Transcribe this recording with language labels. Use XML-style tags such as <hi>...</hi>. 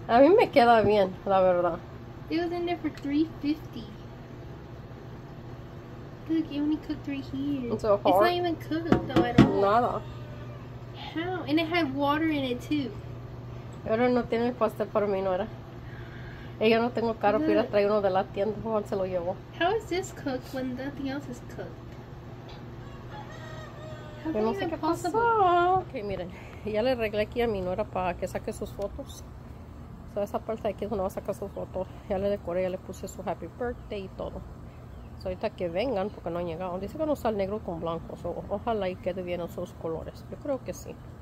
<es>A mí me queda bien, la verdad.</es> <en>It was in there for $3.50. Look, it only cooked right here. It's so hard. It's not even cooked, though, at all.</en> <es>Nada.</es> <en>How? And it had water in it, too.</en> <es>Pero no tiene pastel para mí, nuera. Ella no tengo carro, pero trae uno de la tienda. Juan se lo llevó.</es> <en>How is this cooked when nothing else is cooked?</en> <es>Yo no sé qué pasó. Ok, miren. Ya le arreglé aquí a mi nuera para que saque sus fotos. So, esa parte de aquí es donde va a sacar su foto. Ya le decoré, ya le puse su</es> <en>happy birthday</en> <es>y todo. So, ahorita que vengan, porque no han llegado. Dice que no sale negro con blanco. So, ojalá y quede bien en sus colores. Yo creo que sí.</es>